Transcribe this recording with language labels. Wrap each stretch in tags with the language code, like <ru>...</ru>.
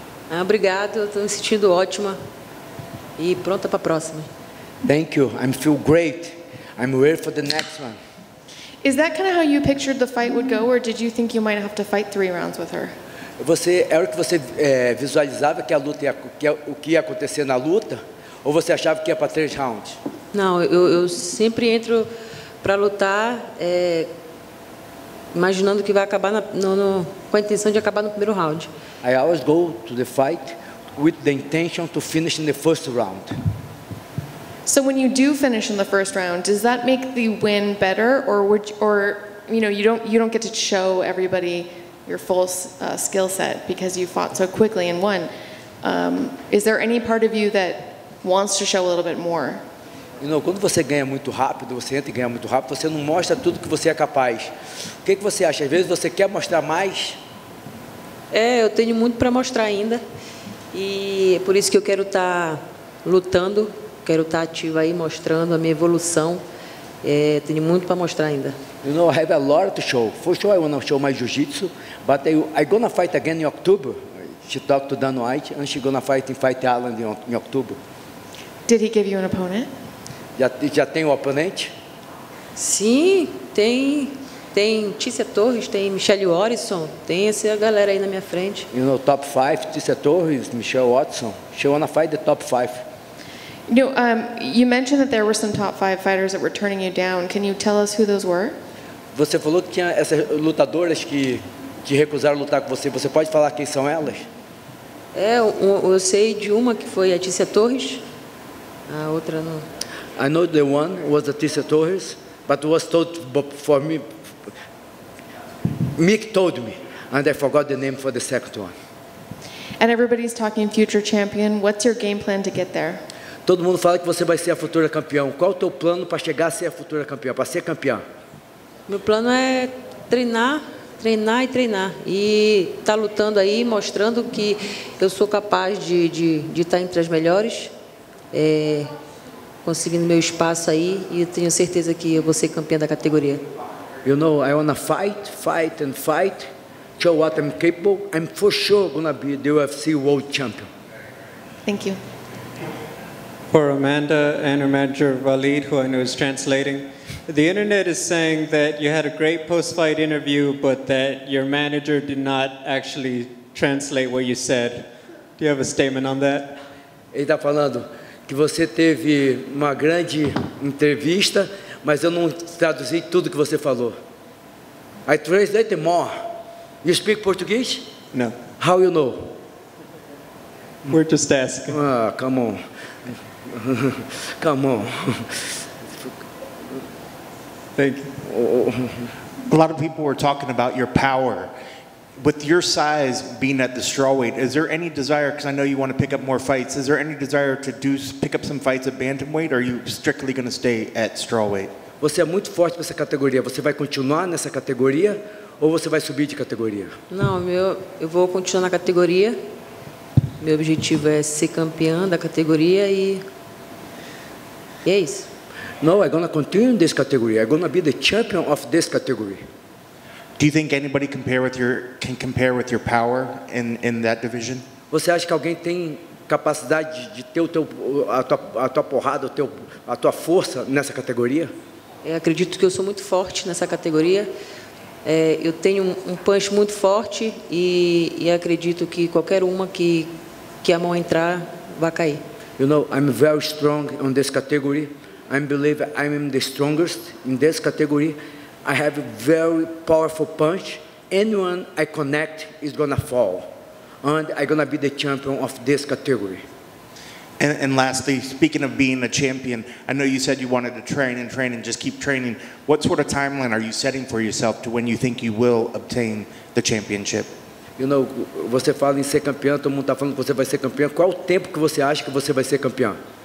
<pt>Ah, obrigado, estou me sentindo ótima e pronta para a próxima.</pt> <en>Thank you. I feel great. I'm ready for the next one. Is that kind of how you pictured the fight would go, or did you think you might have to fight 3 rounds with her?</en> <pt>Você era o que você visualizava que a luta ia, o que ia acontecer na luta, ou você achava que ia para 3 rounds? Não, eu sempre entro para lutar imaginando que vai acabar com a intenção de acabar no primeiro round.</pt> <en>I always go to the fight with the intention to finish in the first round. So when you do finish in the first round, does that make the win better, or you don't get to show everybody your full skill set because you fought so quickly and won? Is there any part of you that wants to show a little bit more?</en> <pt>You know, quando você ganha muito rápido, você entra e ganha muito rápido, você não mostra tudo que você é capaz. O que você acha? Às vezes você quer mostrar mais? Eu tenho muito para mostrar ainda. E é por isso que eu quero estar lutando, quero estar ativo aí, mostrando a minha evolução. Tenho muito para mostrar ainda.</pt> <en>You know, I have a lot to show. For sure I want to show my jiu-jitsu, but I'm going to fight again in October. She talked to Dan White, and she's going to fight in Fight Island in October. Did he give you an opponent?</en> <pt>Já tem um oponente? Sim, tem. Tem Tícia Torres, tem Michelle Watson, tem essa galera aí na minha frente.</pt> <en>You know, top 5, Tícia Torres, Michelle Watson. She wanna fight the top 5. You know, you mentioned that there were some top 5 fighters that were turning you down. Can you tell us who those were?</en> <pt>Você falou que tinha essas lutadoras que recusaram lutar com você. Você pode falar quem são elas? Eu sei de uma que foi a Tícia Torres. A outra não.</pt> <en>I know the one was the Tícia Torres, but was told for me. Mick told me, and I forgot the name for the second one. And everybody's talking future champion. What's your game plan to get there?</en> <pt>Todo mundo fala que você vai ser a futura campeã. Qual o teu plano para chegar a ser a futura campeã, para ser campeã? Meu plano é treinar. E estar lutando aí, mostrando que eu sou capaz de estar entre as melhores, conseguindo meu espaço aí, e eu tenho certeza que eu vou ser campeã da categoria.</pt> <en>You know, I want to fight, show what I'm capable. I'm for sure going to be the UFC world champion. Thank you. For Amanda and her manager, Walid, who I know is translating, the internet is saying that you had a great post-fight interview, but that your manager did not actually translate what you said. Do you have a statement on that?</en> <pt>Ele está falando que você teve uma grande entrevista, mas eu não traduzi tudo que você falou.</pt> <en>I translate more. You speak Portuguese? No. How you know? We're just asking. Ah, come on. Come on. Thank you. A lot of people were talking about your power. With your size being at the strawweight, is there any desire, because I know you want to pick up more fights, is there any desire to pick up some fights at bantamweight, or are you strictly going to stay at strawweight?</en> <pt>Você é muito forte para essa categoria. Você vai continuar nessa categoria ou você vai subir de categoria? Não, eu vou continuar na categoria. Meu objetivo é ser campeã da categoria e é isso.</pt> <en>No, I'm going to continue in this category. I'm going to be the champion of this category. Do you think anybody can compare with your power in that division?</en> <pt>Você acha que alguém tem capacidade de ter a tua porrada, a tua força nessa categoria? Eu acredito que eu sou muito forte nessa categoria. Eu tenho um punch muito forte e acredito que qualquer uma que a mão entrar vai cair.</pt> <en>You know, I'm very strong on this category. I believe I'm the strongest in this category. I have a very powerful punch. Anyone I connect is gonna fall, and I'm gonna be the champion of this category. And lastly, speaking of being a champion, I know you said you wanted to train and just keep training. What sort of timeline are you setting for yourself to when you think you will obtain the championship?</en> <pt>You know, você fala em ser campeão, todo mundo está falando que você vai ser campeão. Qual o tempo que você acha que você vai ser campeão?</pt>